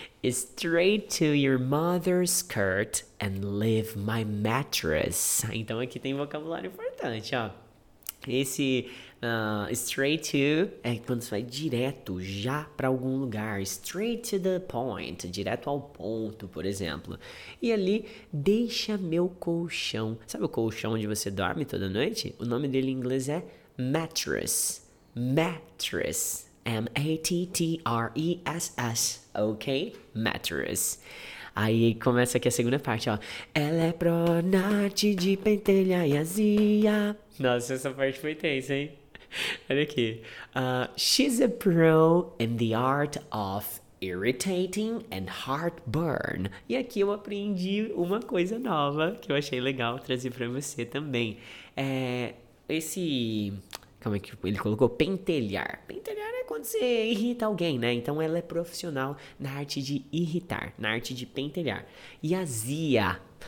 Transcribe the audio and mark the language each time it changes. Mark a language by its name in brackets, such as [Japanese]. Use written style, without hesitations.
[English] Straight to your mother's skirt and leave my mattress. [Portuguese] Então aqui tem vocabulário importante, ó. Esse straight to é quando você vai direto, já pra algum lugar. [English] Straight to the point, [Portuguese] direto ao ponto, por exemplo. E ali, deixa meu colchão. Sabe o colchão onde você dorme toda noite? O nome dele em inglês é mattress. Mattress. Mattress. Ok? Mattress. Aí começa aqui a segunda parte, ó. Ela é pronate de pentelha e azia. Nossa, essa parte foi tensa, hein? Olha aqui. [English] She's a pro in the art of irritating and heartburn. [Portuguese] E aqui eu aprendi uma coisa nova que eu achei legal trazer pra você também. Como é que ele colocou? Pentelhar. Pentelhar é quando você irrita alguém, né? Então ela é profissional na arte de irritar, na arte de pentelhar. E azia.